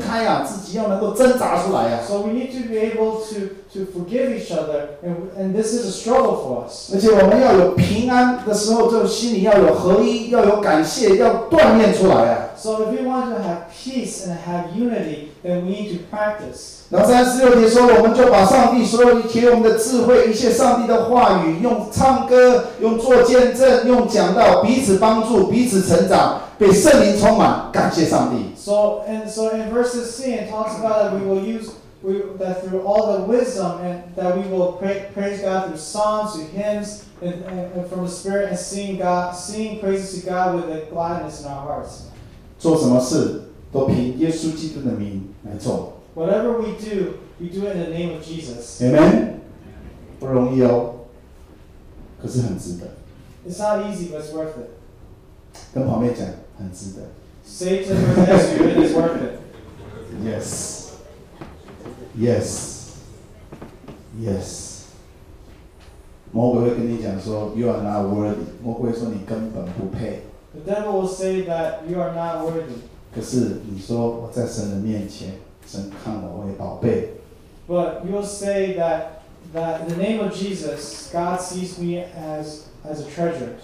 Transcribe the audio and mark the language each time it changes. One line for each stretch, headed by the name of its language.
Chinese: 如果我们彼此之间有冲突，要彼此饶恕，那个饶恕就是自己撑开啊，自己要能够挣扎出来啊。
English: So we need to be able to forgive each other, and this is a struggle for us.
Chinese: 而且我们要有平安的时候，就心里要有合一，要有感谢，要锻炼出来啊。
English: So if we want to have peace and have unity, then we need to practice.
Chinese: 然后36节说，我们就把上帝所有一切，我们的智慧，一切上帝的话语，用唱歌，用做见证，用讲道，彼此帮助，彼此成长，被圣灵充满，感谢上帝。
English: So and so in verse 16 it talks about that we will use we that through all the wisdom and that we will praise God through songs, through hymns, and from the spirit and singing praises to God with a gladness in our hearts.
Chinese: 做什么事都凭耶稣基督的名来做。
English: Whatever we do it in the name of Jesus.
Chinese: Amen. 不容易哦, 可是很值得。
English: It's not easy, but it's worth it.
Chinese: 跟旁边讲, 很值得。
English: Say to the next you, it is worth it. Yes. Yes. Yes.
Chinese: 魔鬼会跟你讲说,
English: you are not worthy.
Chinese: 魔鬼会说你根本不配。
English: The devil will say that you are not worthy.
Chinese: 可是你说我在神的面前, 神看我为宝贝,
English: but you will say that in the name of Jesus, God sees me as a treasure.